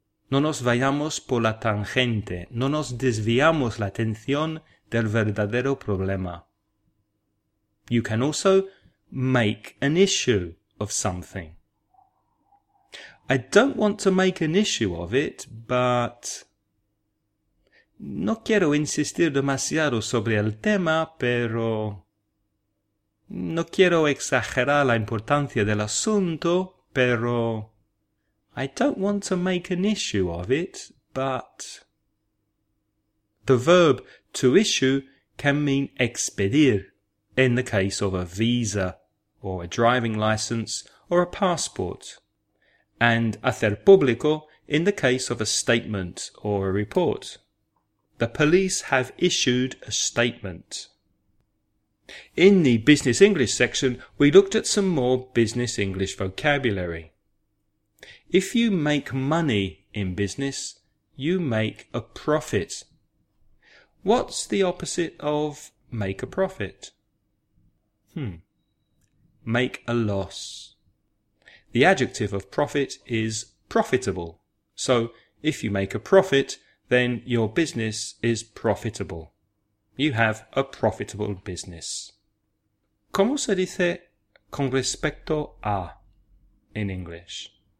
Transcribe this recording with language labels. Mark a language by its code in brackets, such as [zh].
[es] No nos vayamos por la tangente. No nos desviamos la atención del verdadero problema. [en] You can also make an issue of something. I don't want to make an issue of it, but... [es] No quiero insistir demasiado sobre el tema, pero... No quiero exagerar la importancia del asunto, pero... [en] I don't want to make an issue of it, but... The verb to issue can mean expedir, in the case of a visa, or a driving license, or a passport. And [es] hacer público [en] in the case of a statement or a report. The police have issued a statement. In the Business English section, we looked at some more Business English vocabulary. If you make money in business, you make a profit. What's the opposite of make a profit? Make a loss. The adjective of profit is profitable. So if you make a profit, then your business is profitable. You have a profitable business. [es] ¿Cómo se dice con respecto a [en] in English?